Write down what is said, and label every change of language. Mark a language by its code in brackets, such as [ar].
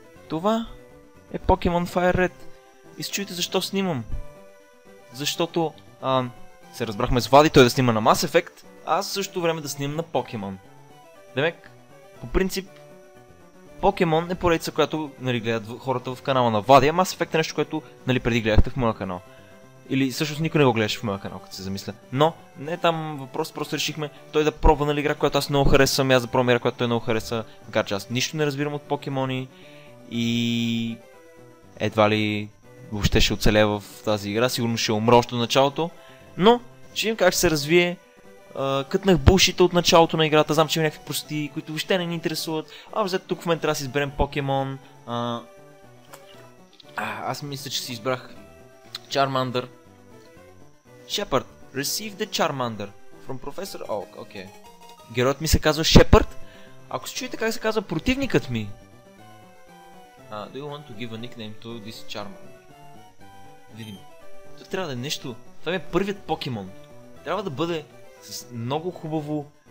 [bg] Това е Pokemon Fire Red. И се чуете защо снимам. Защото се разбрахме с Влади, той да снима на Mass Effect, а аз също време да снимам на Pokemon. Демек, по принцип, Pokemon е поредица, която нали, гледат хората в канала на Влади, а Mass Effect е нещо, което нали, преди гледахте в моя канал. Или всъщност никой не го гледаше в моя канал, като се замисля. Но не е там въпрос, просто решихме той да пробва нали, игра, която аз много харесвам, и аз да пробвам игра, която той много хареса, макар че аз нищо не разбирам от покемони и едва ли въобще ще оцелея в тази игра, сигурно ще умра още от началото. Но ще видим как ще се развие. Кътнах булшита от началото на играта, знам, че има някакви прости, които въобще не ни интересуват. А взето тук в момента трябва да си изберем покемон. Аз мисля, че си избрах Charmander. [en] Shepard, receive the Charmander from Professor Oak. Okay. [bg] Героят ми се казва Shepard. Ако се чуете как се казва противникът ми. [en] Do you want to give a nickname to this Charmander? [bg] Видим. То трябва да е нещо. Това ми е първият покемон. Трябва да бъде с много хубаво.